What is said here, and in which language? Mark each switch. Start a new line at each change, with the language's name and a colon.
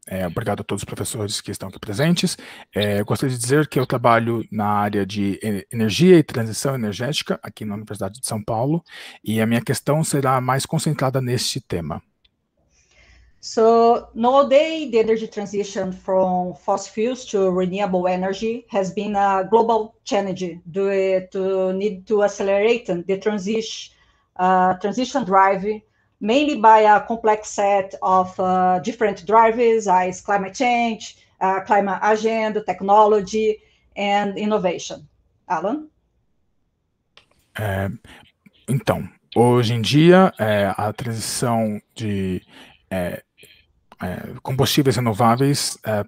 Portuguese: Obrigado a todos os professores que estão aqui presentes. Gostaria de dizer que eu trabalho na área de energia e transição energética aqui na Universidade de São Paulo, e a minha questão será mais concentrada neste tema.
English: So, nowadays, the energy transition from fossil fuels to renewable energy has been a global challenge due to need to accelerate the transition drive, mainly by a complex set of different drivers, as climate change, climate agenda, technology, and innovation. Alan?
Portuguese: Então, hoje em dia, a transição de combustíveis renováveis...